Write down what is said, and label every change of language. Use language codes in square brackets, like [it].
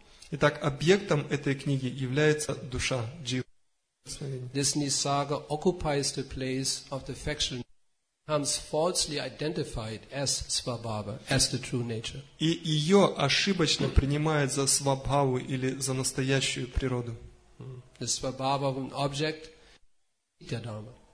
[ru] Итак, объектом этой книги является душа, джива. [en] This nisarga occupies the place of the factual, hence falsely identified as svabhava, as the true nature. [ru] И ее ошибочно принимают за свабхаву или за настоящую природу. [en] The svabhava of an object, nitya dharma.